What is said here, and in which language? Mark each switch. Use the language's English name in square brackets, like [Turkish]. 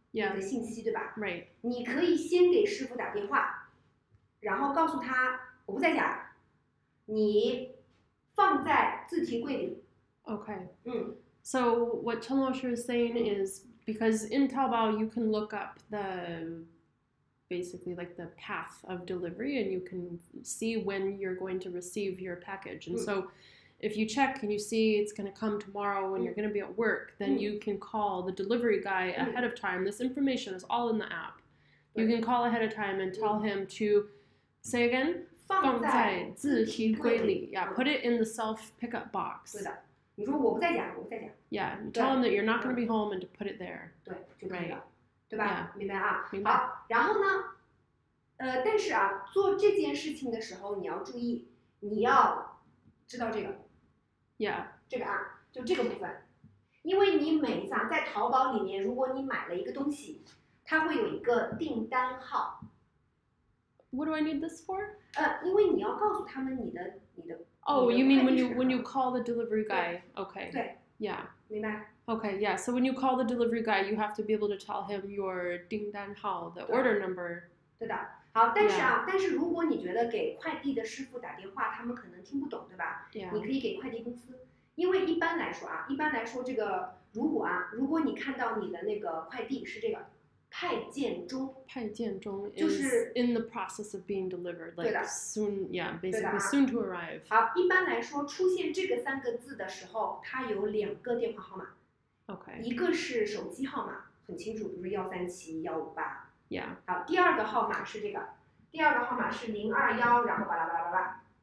[English] Yeah. [Chinese] 你的信息对吧 [English] ？Right. [Chinese] 你可以先给师傅打电话，然后告诉他我不在家，你放在自提柜里。 [English] Okay. 嗯。 So what Chen Laoshi is saying is because in Taobao you can look up the basically like the path of delivery and you can see when you're going to receive your package and so. If you check and you see it's going to come tomorrow and you're going to be at work, then you can call the delivery guy ahead of time. This information is all in the app. Right. You can call ahead of time and tell him to, say again, [Chinese] 放在自提柜里. [English] Yeah, put it in the self-pickup box. [Chinese] 对的，你说我不在家，我不在家。 [English] Yeah, you tell him that you're not going to be home and to put it there. [Chinese] 对，就可以了。 [English] Right. [Chinese] 对吧？ [English] Yeah. [Chinese] 明白啊。明白。好，然后呢，但是啊，做这件事情的时候你要注意，你要知道这个。 [English] Yeah. [Chinese] 这个啊，就这个部分，因为你每次啊，在淘宝里面，如果你买了一个东西，它会有一个订单号。 [English] What do I need this for? [Chinese] 因为你要告诉他们你的。 [English] Oh, you mean when you call the delivery guy? Okay. [Chinese] 对。 [English] Yeah. [Chinese] 明白。 [English] Okay, yeah. So when you call the delivery guy, you have to be able to tell him your 订单号, the order number. [Chinese] 对的。好，但是啊， [English] yeah. [Chinese] 但是如果你觉得给快递的师傅打电话，他们可能听不懂，对吧？ [English] Yeah. [Chinese] 你可以给快递公司，因为一般来说啊，一般来说这个如果啊，如果你看到你的那个快递是这个派件中，派件中就是 [English] in the process of being delivered, like [Chinese] 对的 [English] soon, yeah, basically soon to arrive. [Chinese] 好，一般来说出现这个三个字的时候，它有两个电话号码。 [English] Okay. [Chinese] 一个是手机号码，很清楚，比如137158。 [English] Yeah. [Chinese] 好，第二个号码是这个，第二个号码是021，然后巴拉巴拉巴拉。